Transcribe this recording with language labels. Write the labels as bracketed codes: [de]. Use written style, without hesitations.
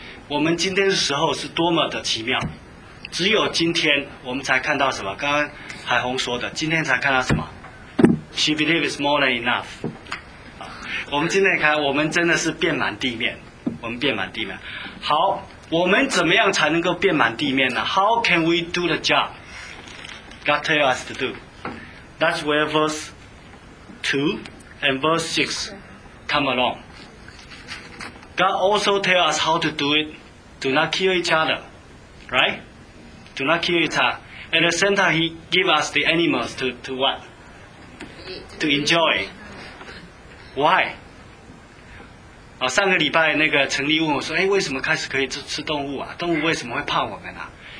[zh] 我们今天的时候是多么的奇妙。只有今天我们才看到什么？刚刚海虹说的，今天才看到什么？ [en] She believes more than enough. [zh] 我们今天看，我们真的是遍满地面。我们遍满地面。好。我们怎么样才能够遍满地面呢？ [en] How can we do the job God tell us to do? That's where verse 2 and verse 6 come along. God also tell us how to do it. Do not kill each other. Right? Do not kill each other. At the same time, he give us the animals to what? To enjoy. Why? [zh] 上个礼拜那个陈丽问我说，哎，为什么开始可以吃动物啊？动物为什么会怕我们啊？